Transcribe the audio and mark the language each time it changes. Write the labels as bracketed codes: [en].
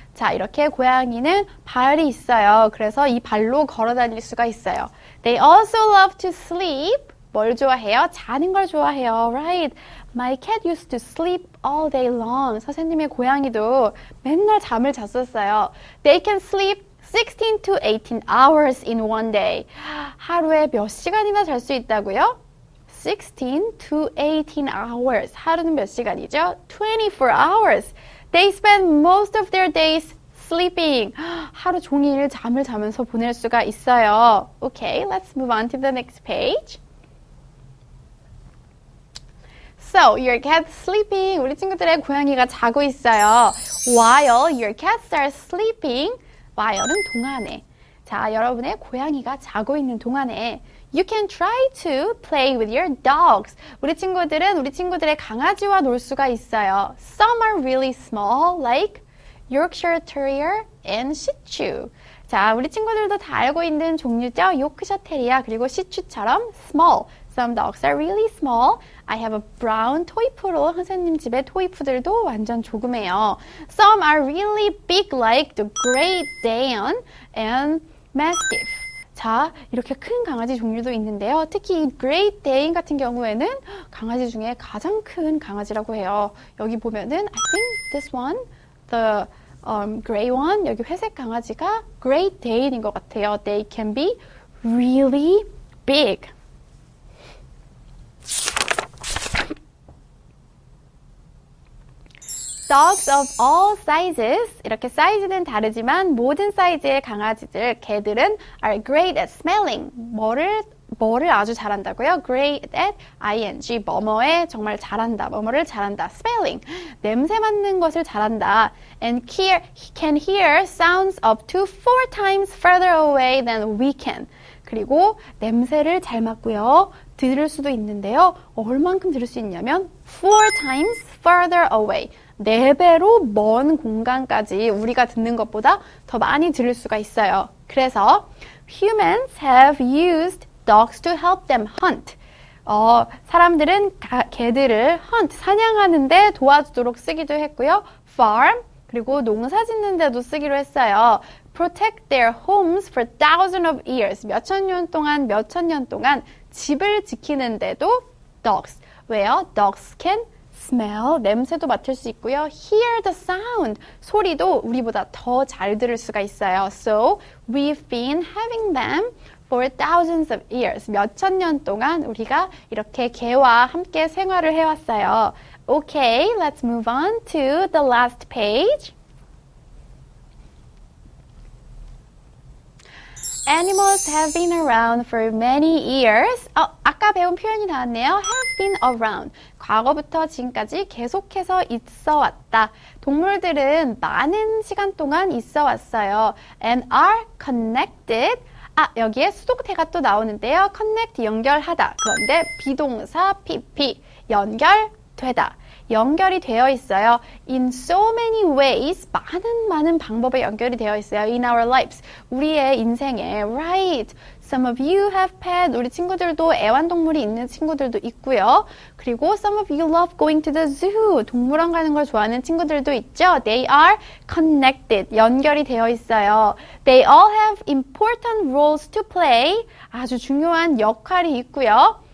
[ko] 자, 이렇게 고양이는 발이 있어요. 그래서 이 발로 걸어 다닐 수가 있어요. [en] They also love to sleep. [ko] 뭘 좋아해요? 자는 걸 좋아해요. [en] Right. My cat used to sleep all day long. [ko] 선생님의 고양이도 맨날 잠을 잤었어요. [en] They can sleep 16 to 18 hours in one day. [ko] 하루에 몇 시간이나 잘 수 있다고요? [en] 16 to 18 hours. [ko] 하루는 몇 시간이죠? [en] 24 hours. They spend most of their days sleeping. [ko] 하루 종일 잠을 자면서 보낼 수가 있어요. [en] Okay, let's move on to the next page. So, your cat's sleeping. [ko] 우리 친구들의 고양이가 자고 있어요. [en] While your cats are sleeping. While은 [ko] 동안에. 자, 여러분의 고양이가 자고 있는 동안에. [en] You can try to play with your dogs. [ko] 우리 친구들은 우리 친구들의 강아지와 놀 수가 있어요. [en] Some are really small, like Yorkshire Terrier and Shih Tzu. [ko] 자, 우리 친구들도 다 알고 있는 종류죠. 요크셔 테리어 그리고 시츄처럼 [en] small. Some dogs are really small. I have a brown toy poodle. [ko] 선생님 집의 토이푸들도 완전 조그매요. [en] Some are really big, like the Great Dane and Mastiff. [ko] 자, 이렇게 큰 강아지 종류도 있는데요. 특히 이 Great Dane 같은 경우에는 강아지 중에 가장 큰 강아지라고 해요. 여기 보면은 [en] I think this one, the gray one, [ko] 여기 회색 강아지가 Great Dane인 것 같아요. [en] They can be really big. Dogs of all sizes. [ko] 이렇게 사이즈는 다르지만 모든 사이즈의 강아지들, 개들은 [en] are great at smelling. [ko] 뭐를 아주 잘한다고요? [en] Great at ing. [ko] 뭐뭐에 정말 잘한다. 뭐뭐를 잘한다. Smelling. 냄새 맡는 것을 잘한다. [en] And can hear sounds up to 4 times further away than we can. [ko] 그리고 냄새를 잘 맡고요. 들을 수도 있는데요. 얼만큼 들을 수 있냐면 [en] 4 times further away. [ko] 네 배로 먼 공간까지 우리가 듣는 것보다 더 많이 들을 수가 있어요. 그래서 [en] humans have used dogs to help them hunt. [ko] 사람들은 개들을 hunt, 사냥하는데 도와주도록 쓰기도 했고요. farm, 그리고 농사 짓는 데도 쓰기로 했어요. [en] protect their homes for thousands of years. [ko] 몇천 년 동안 집을 지키는 데도 dogs. 왜요? [en] dogs can smell, [ko] 냄새도 맡을 수 있고요. [en] Hear the sound, [ko] 소리도 우리보다 더 잘 들을 수가 있어요. [en] So, we've been having them for thousands of years. [ko] 몇천 년 동안 우리가 이렇게 개와 함께 생활을 해왔어요. [en] Okay, let's move on to the last page. Animals have been around for many years. [ko] 아까 배운 표현이 나왔네요. [en] Have been around. [ko] 과거부터 지금까지 계속해서 있어 왔다. 동물들은 많은 시간 동안 있어 왔어요. [en] And are connected. [ko] 아, 여기에 수동태가 또 나오는데요. Connect, 연결하다. 그런데 비동사 PP, 연결되다. 연결이 되어 있어요. [en] In so many ways, [ko] 많은 방법에 연결이 되어 있어요. [en] In our lives, [ko] 우리의 인생에. [en] Right. Some of you have pets. [ko] 우리 친구들도 애완동물이 있는 친구들도 있고요. 그리고 [en] some of you love going to the zoo. [ko] 동물원 가는 걸 좋아하는 친구들도 있죠. [en] They are connected. [ko] 연결이 되어 있어요. [en] They all have important roles to play. [ko] 아주 중요한 역할이 있고요.